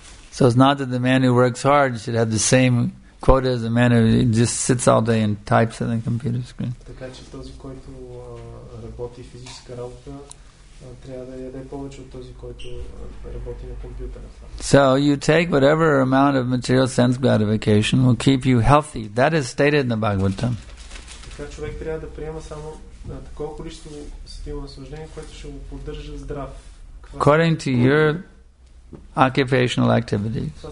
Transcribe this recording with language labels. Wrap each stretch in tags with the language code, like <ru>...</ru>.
<en>So it's not that the man who works hard should have the same quota is a man who just sits all day and types on the computer screen.</en> <bg>Така че този, който работи физическа работа, трябва да яде повече от този, който работи на компютъра.</bg> <en>So you take whatever amount of material sense gratification will keep you healthy. That is stated in the Bhagavatam.</en> <bg>Така човек трябва да приема само такова количество стимулно наслаждение, което ще го поддържа здрав.</bg> <en>According to your occupational activities.</en>